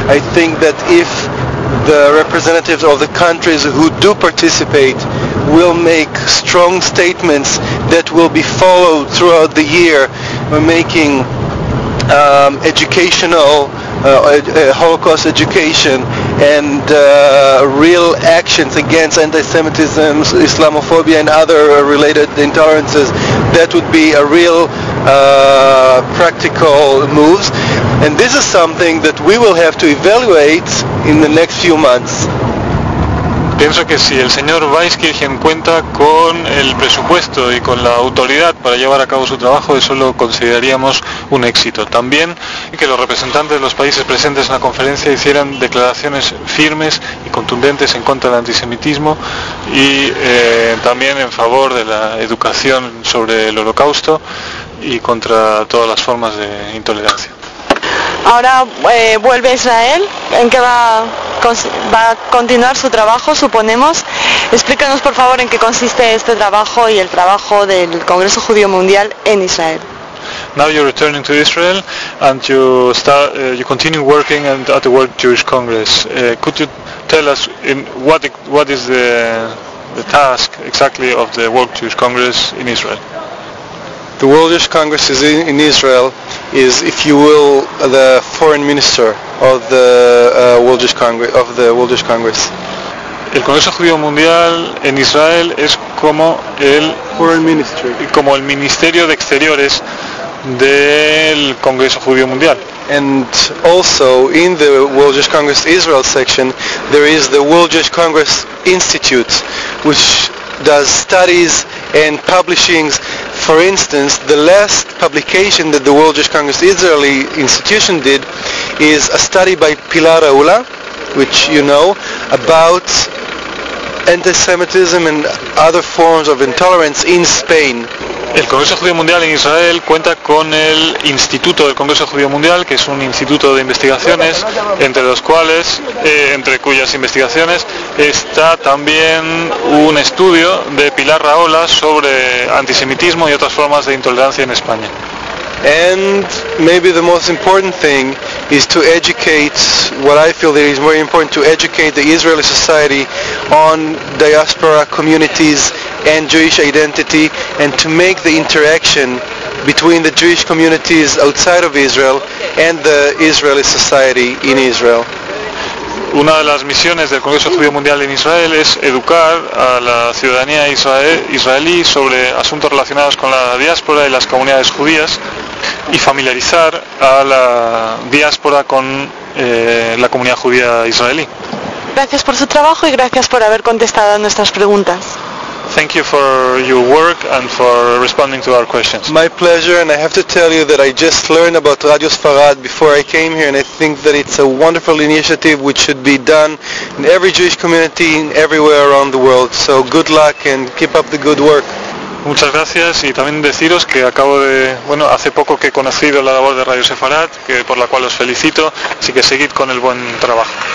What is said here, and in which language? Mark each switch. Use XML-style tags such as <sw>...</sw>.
<en>I think that if the representatives of the countries who do participate will make strong statements that will be followed throughout the year, we're making educational Holocaust education and real actions against anti-Semitism, Islamophobia and other related intolerances, that would be a real practical moves. And this is something that we will have to evaluate in the next few months.</en> <es>Pienso que si el señor Weizkirchen cuenta con el presupuesto y con la autoridad para llevar a cabo su trabajo, eso lo consideraríamos un éxito. También que los representantes de los países presentes en la conferencia hicieran declaraciones firmes y contundentes en contra del antisemitismo y también en favor de la educación sobre el Holocausto y contra todas las formas de intolerancia. Ahora vuelve Israel. ¿En qué va a continuar su trabajo, suponemos? Explícanos, por favor, en qué consiste este trabajo y el trabajo del Congreso Judío Mundial en Israel.</es> <en>Now you're returning to Israel and you start you continue working at the World Jewish Congress. Could you tell us in what is the task exactly of the World Jewish Congress in Israel? The World Jewish Congress is in Israel is, if you will, the foreign minister of the World Jewish Congress.</en> <es>El Congreso Judío Mundial en Israel es como el</es> <en>foreign minister,</en> <es>como el Ministerio de Exteriores del Congreso Judío Mundial.</es> <en>And also in the World Jewish Congress Israel section, there is the World Jewish Congress Institute, which does studies and publishings. For instance, the last publication that the World Jewish Congress Israeli institution did is a study by Pilar Aula, which you know, about anti-Semitism and other forms of intolerance in Spain.</en> <es>El Congreso Judío Mundial en Israel cuenta con el Instituto del Congreso Judío Mundial, que es un instituto de investigaciones, entre cuyas investigaciones está también un estudio de Pilar Rahola sobre antisemitismo y otras formas de intolerancia en España.</es> <en>And maybe the most important thing is to educate, what I feel that is very important, to educate the Israeli society on diaspora communities and Jewish identity, and to make the interaction between the Jewish communities outside of Israel and the Israeli society in Israel.</en> <es>Una de las misiones del Congreso Judío Mundial en Israel es educar a la ciudadanía israelí sobre asuntos relacionados con la diáspora y las comunidades judías, y familiarizar a la diáspora con la comunidad judía israelí. Gracias por su trabajo y gracias por haber contestado a nuestras preguntas.</es> <en>Thank you for your work and for responding to our questions. My pleasure, and I have to tell you that I just learned about Radio Sfarad before I came here, and I think that it's a wonderful initiative which should be done in every Jewish community everywhere around the world. So good luck and keep up the good work.</en> <es>Muchas gracias, y también deciros que hace poco que he conocido la labor de Radio Sfarad, que por la cual os felicito, así que seguid con el buen trabajo.</es>